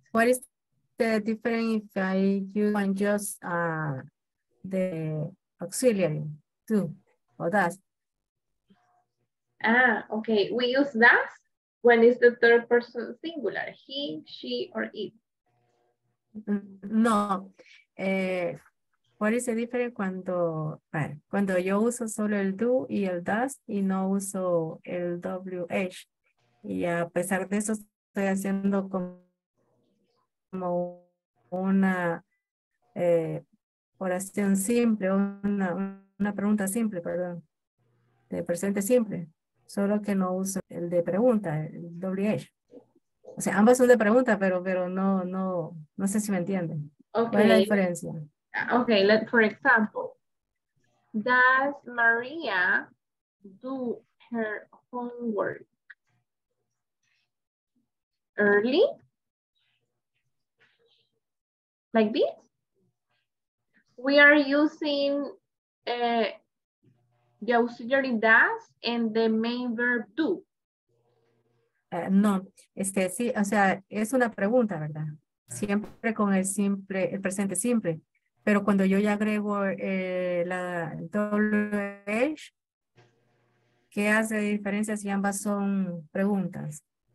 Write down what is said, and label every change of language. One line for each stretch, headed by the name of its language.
English: What is the difference if I use just the auxiliary too, or does? Okay. We use does when it's the third person singular, he, she, or it.
Spanish: No. ¿Cuál es la diferencia cuando yo uso solo el do y el does y no uso el WH? Y a pesar de eso estoy haciendo como una oración simple, una pregunta simple, perdón, de presente simple, solo que no uso el de pregunta, el WH. O sea, ambas son de pregunta, pero no sé si me entienden. Okay. ¿Cuál es la diferencia?
English: Okay, for example, does Maria do her homework early? Like this? We are using the auxiliary does and the main verb do.
Spanish: No, sí, o sea, es una pregunta, ¿verdad? Siempre con el simple, el presente simple. Pero cuando yo ya agrego la WH, ¿qué hace de diferencia si ambas son preguntas?